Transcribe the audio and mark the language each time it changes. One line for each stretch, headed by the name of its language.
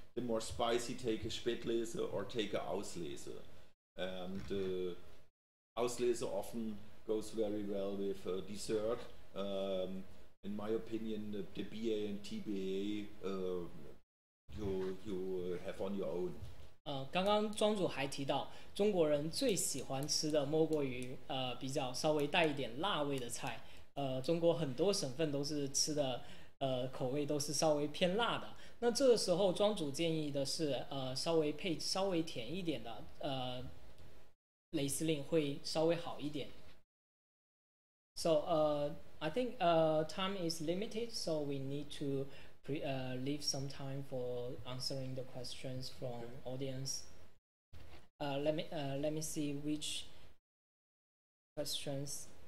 English: The more spicy, take a Spätlese or take a Auslese. And Auslese often goes very well with dessert. In my opinion, the BA and TBA you have on your own.
Chinese: 刚刚庄主还提到中国人最喜欢吃的莫过于比较稍微带一点辣味的菜。中国很多省份都是吃的口味都是稍微偏辣的。那这个时候庄主建议的是稍微甜一点的雷司令会稍微好一点。
English: So, I think time is limited, so we need to leave some time for answering the questions from audience. Let me see which questions.